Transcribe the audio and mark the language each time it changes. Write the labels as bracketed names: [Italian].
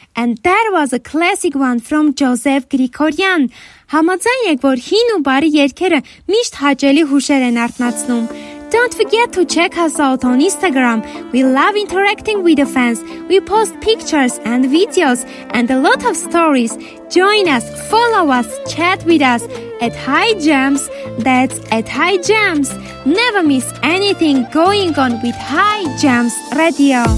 [English] And that was a classic one from Joseph Grigorian. [Armenian] Համաձայն եք, որ հին ու բարի երգերը միշտ հաճելի հուշեր են արթնացնում. [English] Don't forget to check us out on Instagram. We love interacting with the fans. We post pictures and videos and a lot of stories. Join us, follow us, chat with us at High Jams. That's at High Jams. Never miss anything going on with High Jams Radio.